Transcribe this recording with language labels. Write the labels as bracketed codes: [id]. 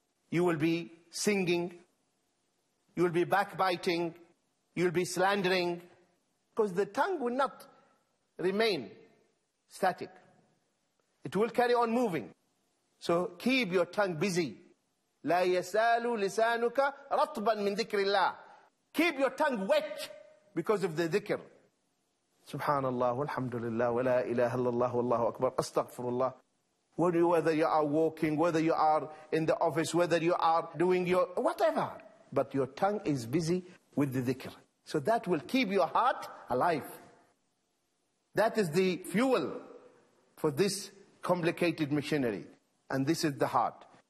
[en] You will be singing, you will be backbiting, you will be slandering, because the tongue will not remain static. It will carry on moving. So keep your tongue busy. [ar] لا يسال لسانك رطبا من ذكر الله. [en] Keep your tongue wet because of the dhikr. [ar] سبحان الله والحمد لله ولا إله إلا الله والله أكبر أستغفر الله. [en] Whether you are walking, whether you are in the office, whether you are doing your whatever, but your tongue is busy with the dhikr. So that will keep your heart alive. That is the fuel for this complicated machinery. And this is the heart.